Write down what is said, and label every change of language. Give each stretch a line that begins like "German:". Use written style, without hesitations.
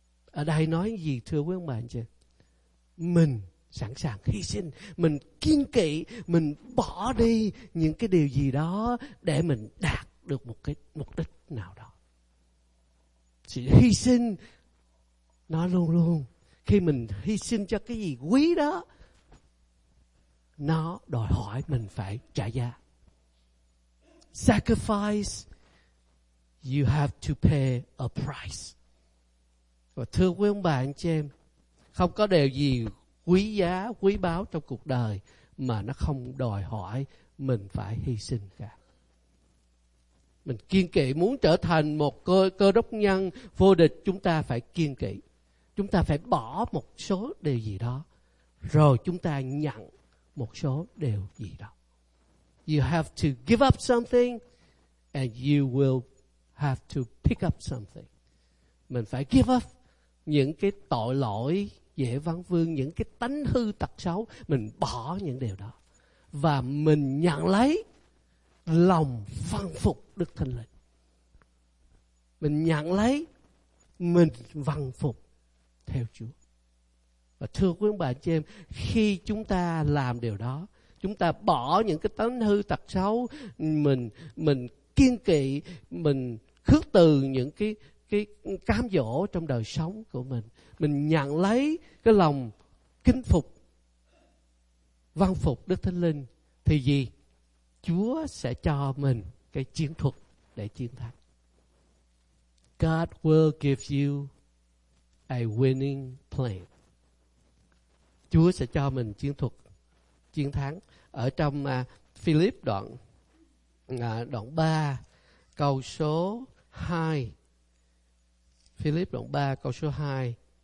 Vietnamese: Ở đây nói gì thưa quý ông bà anh chị? Mình sẵn sàng hy sinh, mình kiên kỵ, mình bỏ đi những cái điều gì đó để mình đạt được một cái mục đích nào đó. Sự hy sinh nó luôn luôn, khi mình hy sinh cho cái gì quý đó, nó đòi hỏi mình phải trả giá.
English: Sacrifice, you have to pay a price.
Vietnamese: Và thưa quý ông bà anh chị em, không có điều gì quý giá, quý báu trong cuộc đời mà nó không đòi hỏi mình phải hy sinh cả. Mình kiên kỵ muốn trở thành một cơ đốc nhân vô địch, chúng ta phải kiên kỵ. Chúng ta phải bỏ một số điều gì đó, rồi chúng ta nhận một số điều gì đó.
English: You have to give up something and you will have to pick up something.
Vietnamese: Mình phải
English: give up
Vietnamese: những cái tội lỗi dễ văn vương, những cái tánh hư tật xấu, mình bỏ những điều đó và mình nhận lấy lòng phân phục Đức Thánh Linh. Mình nhận lấy, mình phân phục theo Chúa. Và thưa quý ông bà chị em, khi chúng ta làm điều đó, chúng ta bỏ những cái tánh hư tật xấu, mình kiên kỵ, mình khước từ những cái cám dỗ trong đời sống của mình, mình nhận lấy cái lòng kính phục, vâng phục Đức Thánh Linh, thì gì? Chúa sẽ cho mình cái chiến thuật để chiến thắng.
English: God will give you a winning plan.
Vietnamese: Chúa sẽ cho mình chiến thuật chiến thắng. Ở trong Philip đoạn 3 câu số 2. Philip đoạn 3 câu số 2.